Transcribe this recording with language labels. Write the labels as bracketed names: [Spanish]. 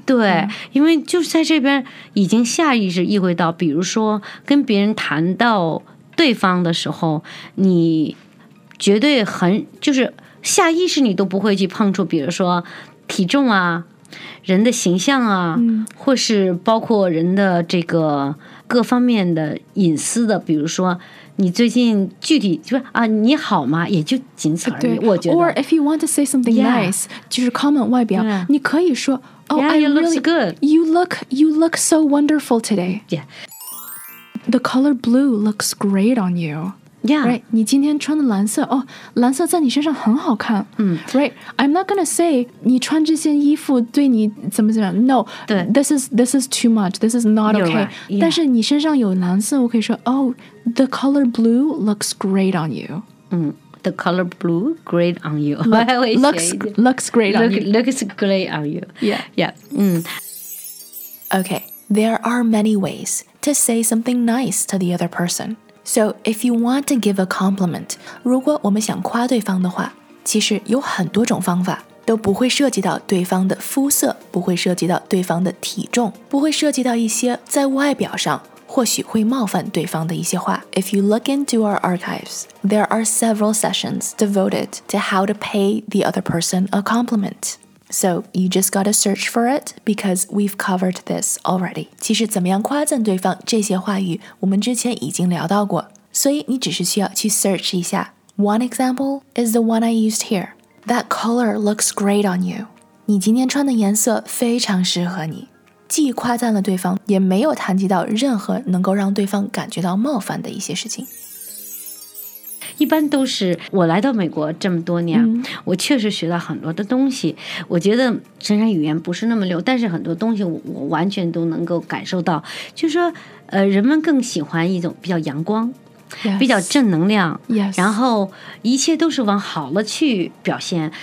[Chinese] 对、因为就是在这边已经下意识意会到，比如说跟别人谈到对方的时候，你绝对很就是下意识你都不会去碰触，比如说体重啊，人的形象啊、或是包括人的这个各方面的隐私的，比如说你最近具体就是啊你好吗，也就仅此而已。对，我觉得 [English] or if you want to say something nice [Chinese] 就是 [English] comment [Chinese] 外表、你可以说 [English] oh yeah, I really looks good. You look so wonderful today. Yeah, the color blue looks great on you. Yeah, [Chinese] right, 你今天穿的蓝色哦，蓝色在你身上很好看。 [English] Right, I'm not gonna say [Chinese] 你穿这件衣服对你怎么怎么样。 [English] No, this is too much. This is not okay. Right. [Chinese] 但是你身上有蓝色，我可以说 [English] Oh, the color blue looks great on you. The color blue great on you. Looks great on you. Yeah. Okay, there are many ways to say something nice to the other person. So, if you want to give a compliment, [Chinese] 如果我们想夸对方的话，其实有很多种方法，都不会涉及到对方的肤色，不会涉及到对方的体重，不会涉及到一些在外表上或许会冒犯对方的一些话。 [English] If you look into our archives, there are several sessions devoted to how to pay the other person a compliment. So, you just gotta search for it, because we've covered this already. [Chinese] 其实怎么样夸赞对方这些话语我们之前已经聊到过，所以你只是需要去 search 一下。 [English] One example is the one I used here. That color looks great on you. [Chinese] 你今天穿的颜色非常适合你。既夸赞了对方，也没有谈及到任何能够让对方感觉到冒犯的一些事情。一般都是我来到美国这么多年、我确实学到很多的东西，我觉得虽然语言不是那么溜，但是很多东西 我完全都能够感受到，就是说人们更喜欢一种比较阳光、比较正能量、然后一切都是往好了去表现。